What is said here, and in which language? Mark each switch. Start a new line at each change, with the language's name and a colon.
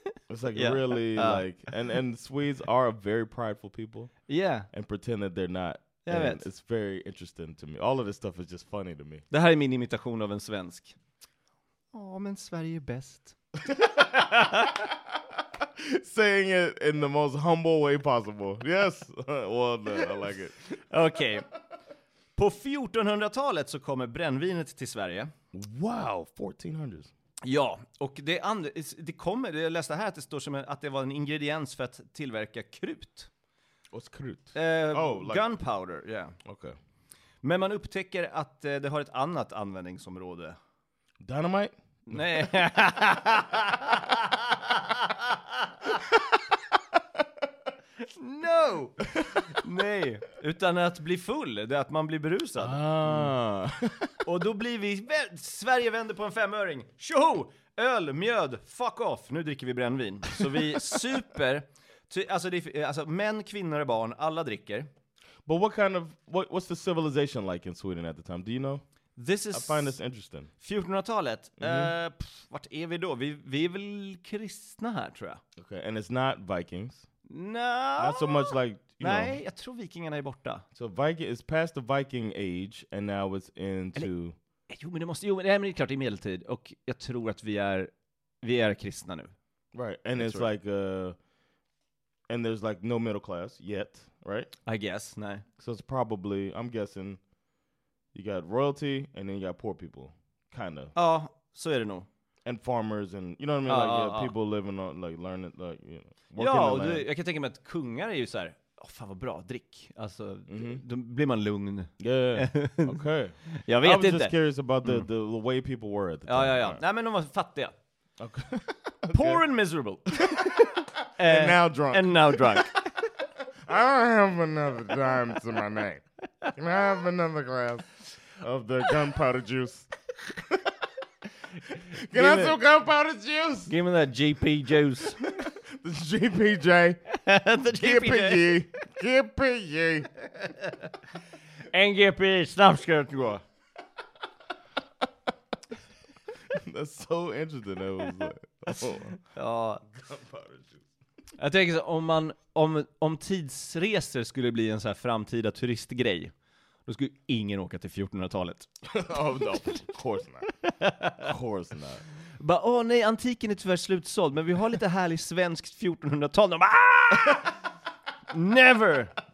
English: It's like really like, and Swedes are a very prideful people. Yeah. And pretend that they're not. Yeah, and it's very interesting to me. All of this stuff is just funny to me.
Swedish: Det här är min imitation av en svensk. Åh, men Sverige är bäst.
English: Saying it in the most humble way possible. Yes. Well, no, I like it. Okay.
Swedish: På 1400-talet så kommer brännvinet till Sverige.
English: Wow, 1400s.
Swedish: Ja, och det kommer, jag läste här att det står som att det var en ingrediens för att tillverka krut.
English: What's krut? Gunpowder, yeah. Okay.
Swedish: Men man upptäcker att det har ett annat användningsområde.
English: Dynamite?
Swedish: Nej. No! Nej, utan att bli full. Det är att man blir berusad. Ah. Och då blir vi... Sverige vänder på en femöring. Tjoho! Öl, mjöd,
English: fuck off.
Swedish: Nu dricker vi brännvin. Så vi super... Alltså, män, kvinnor och barn, alla dricker.
English: But what kind of... What's the civilization like in Sweden at the time? Do you know? This is... I find this interesting.
Swedish: 1400-talet. Mm-hmm. Vart är vi då? Vi är väl kristna här, tror jag.
English: Okay, and it's not Vikings. No. Not so much like, you
Swedish: Nej,
English: know.
Swedish: Jag tror vikingarna är borta.
English: So Viking is past the Viking age and now it's into
Swedish: Eller, men det är klart i medeltid och jag tror att vi är kristna nu.
English: Right. And it's like and there's like no middle class yet, right? I guess. Nej. So it's probably, I'm guessing you got royalty and then you got poor people kind of.
Swedish: Ja, så är det nog.
English: And farmers and, you know what I mean? People living on, like, learning, like, you know.
Swedish: Ja, jag kan tänka mig att kungar är ju så här, fan vad bra, drick. Alltså, då blir man lugn.
English: Yeah. Okay.
Swedish: Jag vet inte.
English: I was just curious about the way people were at the time.
Swedish: Ja. Right. Nej, men de var fattiga.
English: Okay. Poor and miserable. And now drunk. I don't have another dime to my name. Can I have another glass of the gunpowder juice? Can I still gunpowder juice? Give me that GP juice. The GPJ. The GPJ. GPJ. And GP snapskirt. That's so interesting. That was gunpowder juice.
Swedish: Jag tänker så, om tidsresor skulle bli en så här framtida turistgrej. Då skulle ingen åka till 1400-talet.
English: Oh, no. Of course not.
Swedish: Bara, åh nej, antiken är tyvärr slutsåld. Men vi har lite härlig svenskt 1400-tal.
English: Never!